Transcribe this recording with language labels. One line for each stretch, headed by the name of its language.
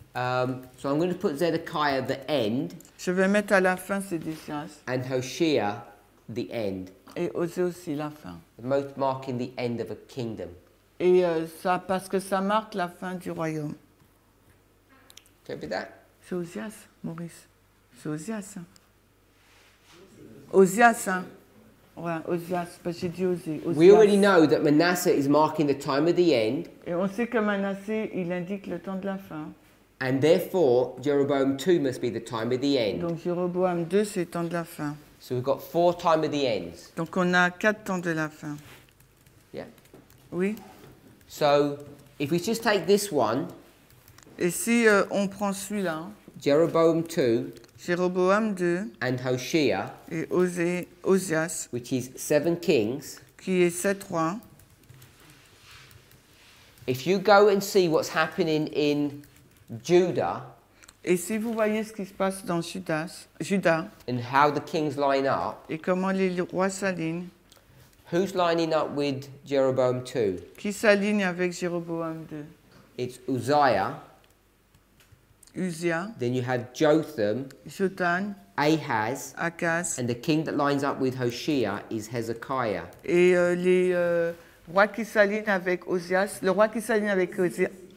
English: So I'm going to put Zedekiah at the end.
French: Je vais mettre à la fin ces décisions.
English: And Hoshea, the end.
French: Et Osée aussi la fin.
English: Most marking the end of a kingdom.
French: Et ça parce que ça marque la fin du royaume.
English: Can you read that?
French: C'est Osias, Maurice. C'est Osias. Hein? Osias, hein? Ouais, Osias. Parce que j'ai dit Osée.
English: We already know that Manasseh is marking the time of the end.
French: Et on sait que Manasseh, il indique le temps de la fin.
English: And therefore, Jeroboam 2 must be the time of the end.
French: Donc Jéroboam 2, c'est le temps de la fin.
English: So we've got four time of the ends.
French: Donc on a quatre temps de la fin.
English: Yeah.
French: Oui.
English: So if we just take this one.
French: Et si on prend celui-là.
English: Jeroboam 2.
French: Jeroboam 2.
English: And Hoshea.
French: Et Ozias.
English: Which is seven kings.
French: Qui est sept rois.
English: If you go and see what's happening in Judah.
French: Et si vous voyez ce qui se passe dans Judas,
English: and how the kings line up,
French: et comment les rois s'alignent,
English: who's lining up with Jeroboam 2?
French: Qui s'aligne avec Jeroboam 2?
English: It's Uzziah.
French: Uzziah.
English: Then you have Jotham.
French: Jotham.
English: Ahaz.
French: Ahaz.
English: And the king that lines up with Hoshea is Hezekiah.
French: Et les rois qui s'alignent avec Ozias, le roi qui s'aligne avec Ozias.